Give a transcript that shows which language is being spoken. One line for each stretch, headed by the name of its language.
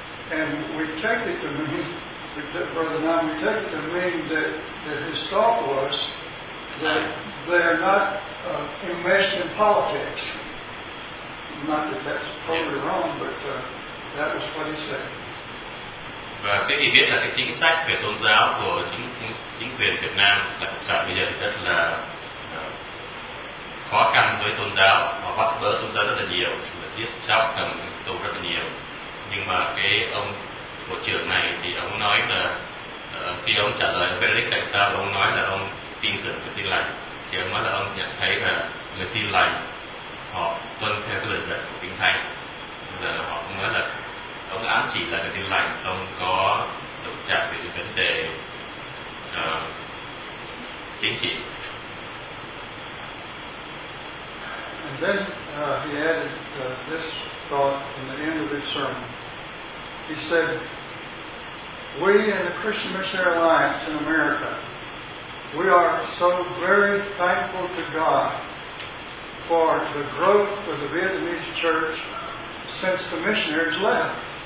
English: And we take it to mean, Brother Nam, we take it to mean that his thought was that they are not enmeshed in politics. Not that that's totally wrong, but that was what he said.
Vietnamese: Và cái gì biết là cái chính sách về tôn giáo của chính quyền Việt Nam là cộng sản bây giờ thì rất là khó khăn với tôn giáo, họ bắt bớ tôn giáo rất là nhiều, giết chóc cầm tù rất là nhiều. Nhưng mà cái ông bộ trưởng này thì ông nói là khi ông trả lời ông Benedict tại sao ông nói là ông tin tưởng và tin lành, thì ông nói là ông nhận thấy là người tin lành họ tuân theo cái lời dạy của Kinh Thánh, và họ cũng nói là ông ám chỉ là người tin lành không có động chạm về cái vấn đề chính trị.
English: And then he added this thought in the end of his sermon. He said, we in the Christian Missionary Alliance in America, we are so very thankful to God for the growth of the Vietnamese church since the missionaries left.